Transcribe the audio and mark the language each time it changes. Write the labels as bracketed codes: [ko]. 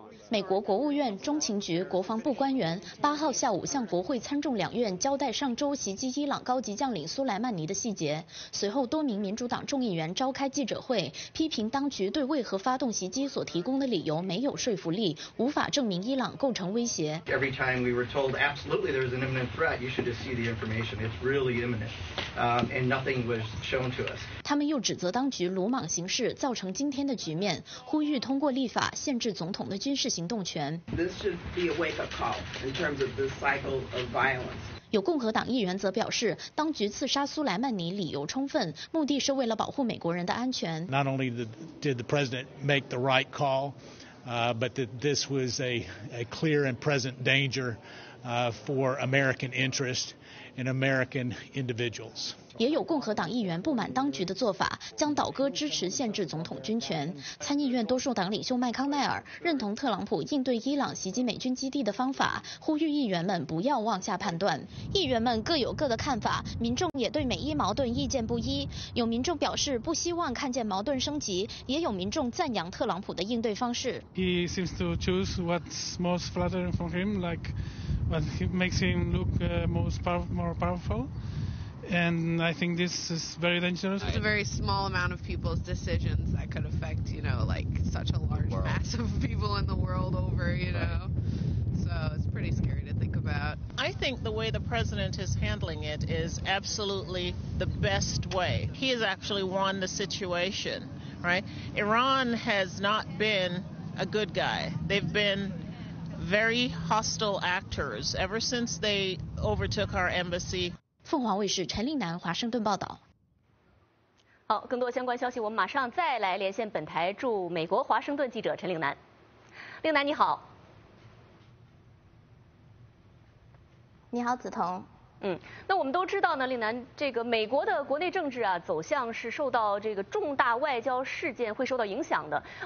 [zh] 美国国务院中情局国防部官员八号下午向国会参众两院交代上周袭击伊朗高级将领苏莱曼尼的细节，随后多名民主党众议员召开记者会，批评当局对为何发动袭击所提供的理由没有说服力，无法证明伊朗构成威胁。 [en] Every time we were told absolutely there was an imminent threat, you should just see the information. It's really imminent, and nothing was shown to us. [zh] 他们又指责当局鲁莽行事，造成今天的局面，呼吁通过立法限制总统的军事行动权。 [en] This should be a wake-up call in terms of this cycle of violence. [zh] 有共和党议员则表示，当局刺杀苏莱曼尼理由充分，目的是为了保护美国人的安全。 [en] Not only did the president make the right call, but that this was a clear and present danger for American interest and American individuals. [zh] 也有共和党议员不满当局的做法，将倒戈支持限制总统军权。参议院多数党领袖麦康奈尔认同特朗普应对伊朗袭击美军基地的方法，呼吁议员们不要妄下判断。议员们各有各的看法，民众也对美伊矛盾意见不一。有民众表示不希望看见矛盾升级，也有民众赞扬特朗普的应对方式。 [en] He seems to choose what's most flattering for him, like what makes him look more powerful. And I think this is very dangerous. It's a very small amount of people's decisions that could affect, you know, like such a large mass of people in the world over, you know. So it's pretty scary to think about. I think the way the president is handling it is absolutely the best way. He has actually won the situation, right? Iran has not been a good guy. They've been very hostile actors ever since they overtook our embassy. [zh] 凤凰卫视陈令南华盛顿报道。好，更多相关消息我们马上再来连线本台驻美国华盛顿记者陈令南。令南你好。你好梓潼。那我们都知道呢，令南，这个美国的国内政治啊走向是受到这个重大外交事件会受到影响的。